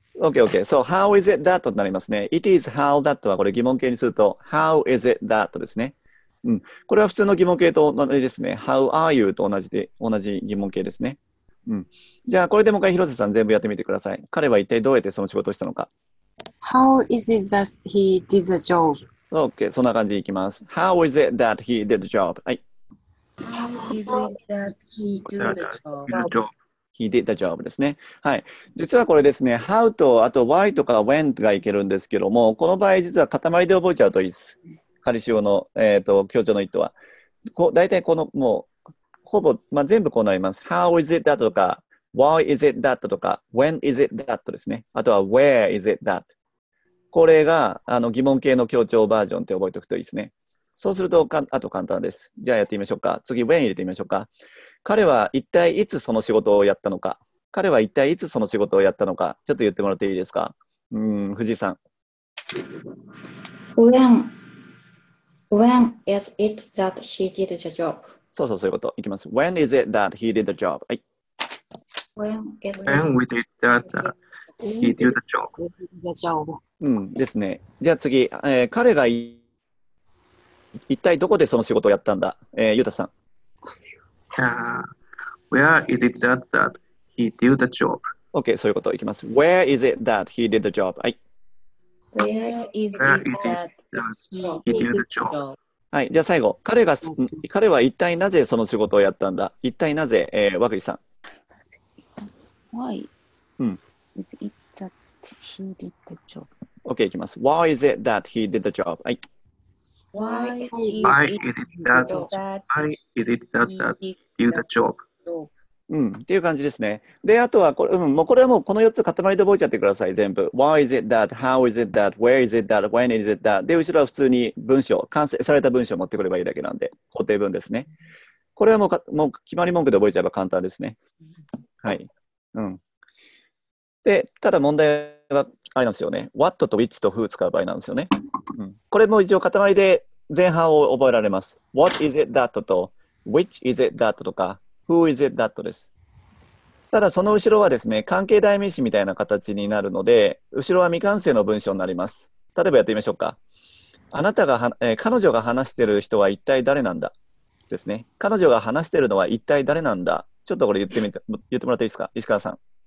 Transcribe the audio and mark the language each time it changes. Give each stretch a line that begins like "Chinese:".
English: Okay, okay. So, how is it that?
Japanese: となりますね。
English: It is how that
Japanese: はこれ疑問形にすると、
English: How is it that?
Japanese: ですね。うん。これは普通の疑問形と同じですね。
English: How are you?
Japanese: と同じ疑問形ですね。うん。じゃあ、これでもう一回広瀬さん全部やってみてください。彼は一体どうやってその仕事をしたのか。
English: How is it that he did the job?
Japanese: OK, そんな感じでいきます。
English: How is it that he did the job? How is it that he did the job? He did the job
Japanese: ですね。はい。実はこれですね、How とあと Why とか When がいけるんですけども、この場合実は塊で覚えちゃうといいです。仮使用の、強調の意図は。大体このもう、ほぼ、まあ、全部こうなります。
English: How is it that とか Why is it that とか When is it that
Japanese: ですね。あとは
English: Where is it that?
Japanese: これが疑問形の強調バージョンって覚えておくといいですね。そうすると、あと簡単です。じゃあやってみましょうか。次、when入れてみましょうか。彼は一体いつその仕事をやったのか。彼は一体いつその仕事をやったのか。ちょっと言ってもらっていいですか。藤井さん。
English: When is it that he did the job?
Japanese: そうそうそういうこと。いきます。
English: When is it that he did the job?
Japanese: はい。
English: When is it that he did the job?
Japanese: うんですね。じゃあ次、彼が一体どこでその仕事をやったんだ、ユタさん。
English: Where is it that he he did the job.
Japanese: Okay, そういうこといきます。
English: Where is it that he did the job?
Japanese: はい。
English: Where is it that he did the job?
Japanese: はい、じゃあ最後。彼は一体なぜその仕事をやったんだ？一体なぜ、和久井さん。
English: Why? Is it that he did the job?
Japanese: Okay, いきます。
English: Why is it that he did the job?
Japanese: はい。
English: Why is it that he did the job?
Japanese: うん、っていう感じですね。で、あとはこれ、うん、もうこれはもうこの4つ塊で覚えちゃってください、全部。
English: Why is it that? How is it that? Where is it that? When is it that?
Japanese: で、後ろは普通に文章、完成された文章を持ってくればいいだけなんで、固定文ですね。これはもう、もう決まり文句で覚えちゃえば簡単ですね。はい。うん。で、ただ問題は、あれなんですよね。 What と which と who 使う場合なんですよね。うん、これも一応塊で前半を覚えられます。
English: What is it that と Which is it that とか Who is it that
Japanese: です。ただその後ろはですね、関係代名詞みたいな形になるので、後ろは未完成の文章になります。例えばやってみましょうか。あなたが、彼女が話してる人は一体誰なんだですね。彼女が話してるのは一体誰なんだ。ちょっとこれ言ってみて、言ってもらっていいですか、石川さん。